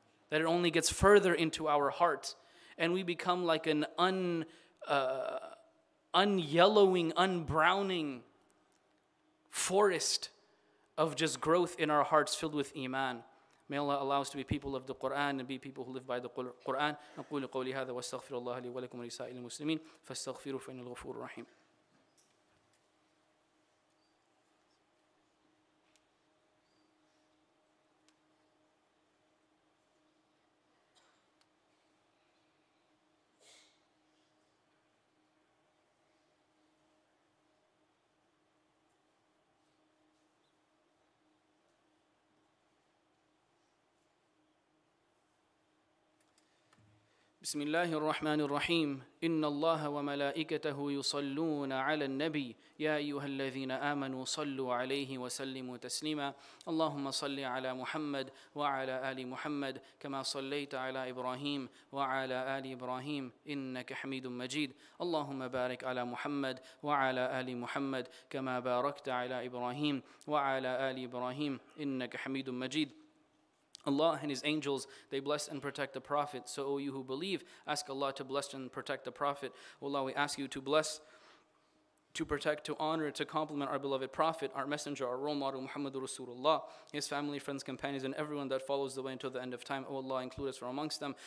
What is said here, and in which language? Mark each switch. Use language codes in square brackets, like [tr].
[en] That it only gets further into our hearts. And we become like an un-yellowing, un-browning forest of just growth in our hearts filled with iman. May Allah allow us to be people of the Quran and be people who live by the Quran. [ar] نقول قولي هذا واستغفر الله لي ولكم ولسائر المسلمين فاستغفروا فإن الغفور رحيم. بسم الله الرحمن الرحيم إن الله وملائكته يصلون على النبي يا أيها الذين آمنوا صلوا عليه وسلموا تسليما اللهم صل على محمد وعلى آل محمد كما صليت على إبراهيم وعلى آل إبراهيم إنك حميد مجيد اللهم بارك على محمد وعلى آل محمد كما باركت على إبراهيم وعلى آل إبراهيم إنك حميد مجيد. [en] Allah and His angels, they bless and protect the Prophet. So, O you who believe, ask Allah to bless and protect the Prophet. O Allah, we ask you to bless, to protect, to honor, to compliment our beloved Prophet, our messenger, our role model, Muhammad Rasulullah, his family, friends, companions, and everyone that follows the way until the end of time. O Allah, include us from amongst them.